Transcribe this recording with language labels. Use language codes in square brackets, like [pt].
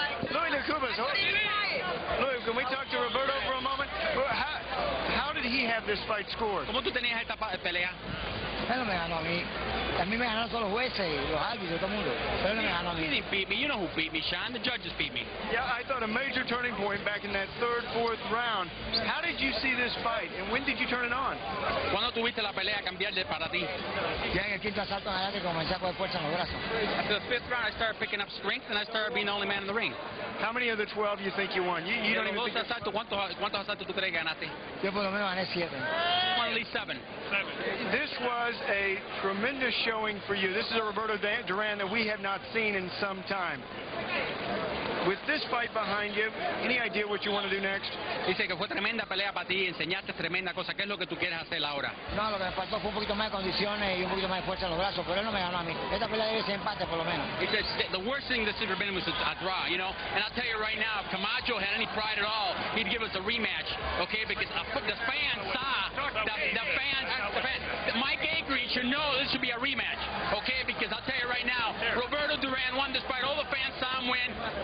[en] Louis DeCubas, Louis, can we talk to Roberto for a moment? How did he have this fight scored? [es] ¿Cómo tú tenías esta pelea? Él me ganó a mí. A mí me ganaron todos los jueces y los árbitros, todo el mundo. Pero él me ganó a mí. [en] He didn't beat me. You know who beat me, Sean. The judges beat me. Yeah, I thought a major turning point back in that third, fourth round. How did you see this fight, and when did you turn it on? [es] ¿Cuándo tuviste la pelea cambiar de para ti? Ya en el quinto asalto, allá que comencé a coger fuerza en los brazos. [en] After the fifth round, I started picking up strength, and I started being the only man in the ring. How many of the 12 you think you won? You don't even think... [es] Asalto, ¿cuántos asaltos tú crees que ganaste? Yo por lo menos gané 7. [en] Won at least 7. This was a tremendous showing for you. This is a Roberto Duran that we have not seen in some time. With this fight behind you, any idea what you want to do next? [es] Dice que fue tremenda pelea para ti, enseñaste tremenda cosa. ¿Qué es lo que tú quieres hacer ahora? No, lo que me faltó fue un poquito más de condiciones y un poquito más de fuerza en los brazos, pero él no me ganó a mí. Esta pelea debe ser empate, por lo menos. [en] He says, the worst thing that Super Bowl was a draw, you know? And I'll tell you right now, if Camacho had any pride at all, he'd give us a rematch, okay? Because the fans saw, the fans, Mike Akery should know this should be a rematch, okay? Because I'll tell you right now, Roberto Duran won despite all the fans saw him win.